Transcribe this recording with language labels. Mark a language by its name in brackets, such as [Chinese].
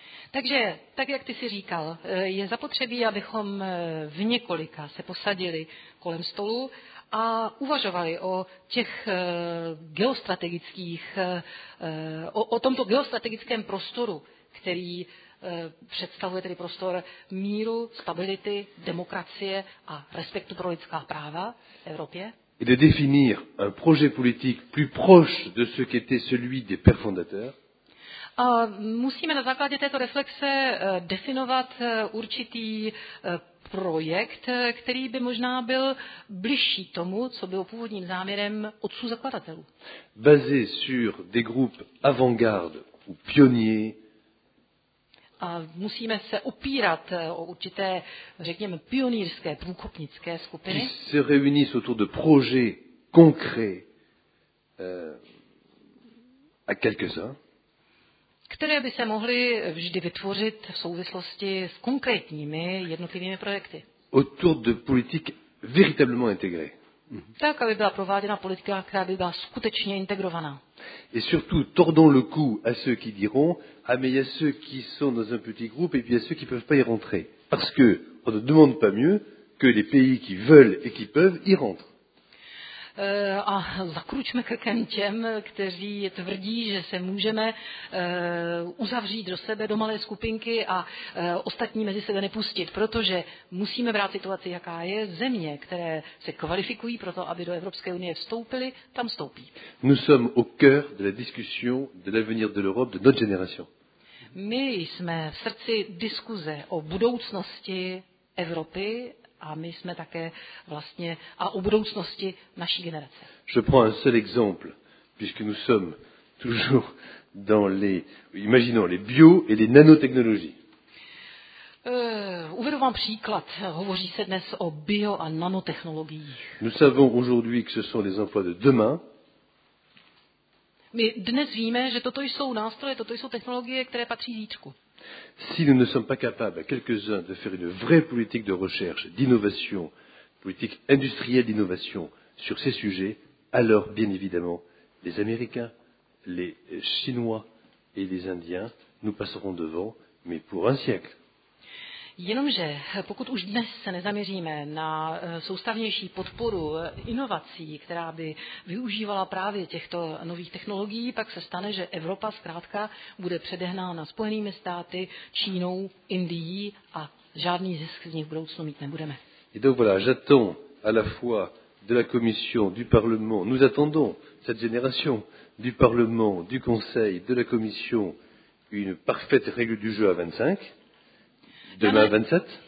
[Czech] Takže, tak jak ty si říkal, je zapotřebí, abychom v několika se posadili kolem stolu a uvažovali o těch geostrategických, o tomto geostrategickém prostoru, který představuje tedy prostor míru, stability, demokracie a respektu pro lidská práva v Evropě. [French] Et de définir un projet politique plus proche de ce qu'était celui des pères fondateurs. [Czech] A musíme na základě této reflexe definovat určitý projekt, který by možná byl bližší tomu, co bylo původním záměrem otců zakladatelů. [French] Basé sur des groupes avant-garde ou pionniers. [Czech] A musíme se opírat o určité, řekněme, pionýrské, průkopnické skupiny. [French] Qui se réunissent autour de projets concrets à quelques-uns. [Czech] Které by se mohly vždy vytvořit v souvislosti s konkrétními jednotlivými projekty. [French] Autour de politiques véritablement intégrées. [Czech] Tak, aby byla prováděna politika, která by byla skutečně integrovaná. [French] Et surtout, tordons le cou à ceux qui diront, ah mais il y a ceux qui sont dans un petit groupe et puis il y a ceux qui ne peuvent pas y rentrer. Parce que on ne demande pas mieux que les pays qui veulent et qui peuvent y rentrer. [Czech] A zakručme krkem těm, kteří tvrdí, že se můžeme uzavřít do sebe, do malé skupinky a ostatní mezi sebe nepustit, protože musíme brát situaci, jaká je, země, které se kvalifikují pro to, aby do Evropské unie vstoupily, tam vstoupí. [French] Nous sommes au cœur de la discussion de l'avenir de l'Europe de notre génération. [Czech] My jsme v srdci diskuze o budoucnosti Evropy. A my jsme také vlastně a o budoucnosti naší generace. [French] Je prends un seul exemple, puisque nous sommes toujours dans les, imaginons, les bio et les nanotechnologies. [Czech] Uvedu vám příklad. Hovoří se dnes o bio a nanotechnologiích. [French] Nous savons aujourd'hui que ce sont les emplois de demain. [Czech] My dnes víme, že toto jsou nástroje, toto jsou technologie, které patří zítřku. [French] Si nous ne sommes pas capables, quelques-uns, de faire une vraie politique de recherche, d'innovation, politique industrielle d'innovation sur ces sujets, alors, bien évidemment, les Américains, les Chinois et les Indiens nous passeront devant, mais pour un siècle. [Czech] Jenomže, pokud už dnes se nezaměříme na soustavnější podporu inovací, která by využívala právě těchto nových technologií, pak se stane, že Evropa zkrátka bude předehnána Spojenými státy, Čínou, Indií a Žádný ze skříní v budoucnu mít nebudeme. [French] Et donc voilà, j'attends à la fois de la Commission, du Parlement, nous attendons cette génération du Parlement, du Conseil, de la Commission, une parfaite règle du jeu à 25, demain à 27.